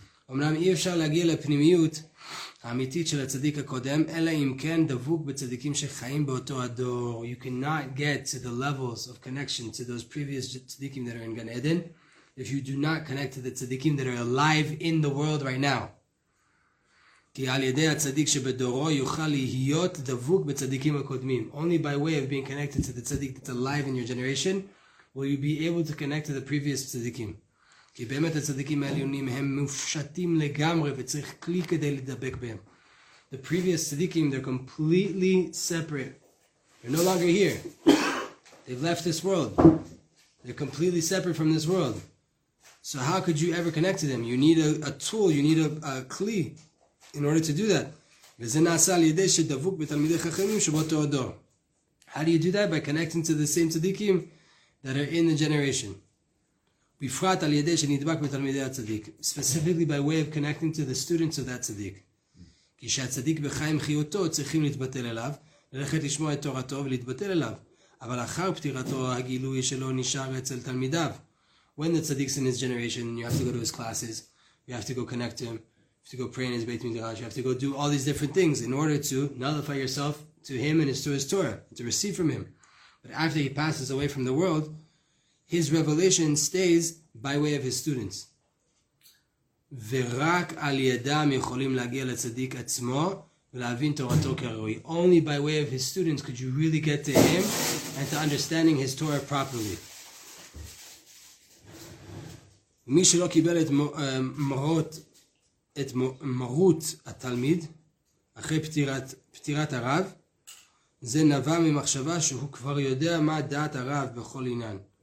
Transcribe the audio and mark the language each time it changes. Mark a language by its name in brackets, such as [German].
[Hebrew] אמנם אי אפשר להגיע לפנימיות האמיתית של הצדיק הקודם, אלא אם כן דבוק בצדיקים שחיים באותו הדור. [English] You cannot get to the levels of connection to those previous tzaddikim that are in Gan Eden if you do not connect to the tzaddikim that are alive in the world right now. [Hebrew] כי על ידי הצדיק שבדורו יוכל להיות דבוק בצדיקים הקודמים. [English] Only by way of being connected to the tzaddik that's alive in your generation will you be able to connect to the previous tzaddikim. [Hebrew] כי באמת הצדיקים העליונים הם מופשטים לגמרי וצריך כלי כדי לדבק בהם. [English] The previous tzaddikim, they're completely separate. They're no longer here. They've left this world. They're completely separate from this world. So how could you ever connect to them? You need a tool, you need a kli. In order to do that, [Hebrew] וזה נעשה על ידי שדבוק בתלמידי חכמים שבאותו הדור. [English] How do you do that? By connecting to the same tzaddikim that are in the generation. [Hebrew] בפרט על ידי שנדבק בתלמידי הצדיק. [English] Specifically by way of connecting to the students of that tzaddik. [Hebrew] כי שהצדיק בחיים חיותו צריכים להתבטל אליו, ללכת לשמוע את תורתו ולהתבטל אליו. אבל אחר פטירתו הגילוי שלו נשאר אצל תלמידיו. [English] When the tzaddik's in his generation, you have to go to his classes, you have to go connect to him. You have to go pray in his Beit Midrash. You have to go do all these different things in order to nullify yourself to him and to his Torah, to receive from him. But after he passes away from the world, his revelation stays by way of his students. [Hebrew] ורק על ידם יכולים להגיע לצדיק עצמו ולהבין תורתו כראוי. [English] Only by way of his students could you really get to him and to understanding his Torah properly. [Hebrew] ומי שלא קיבל את מרות את מרות התלמיד אחרי פטירת הרב, זה נבע ממחשבה שהוא כבר יודע מה דעת הרב בכל עניין.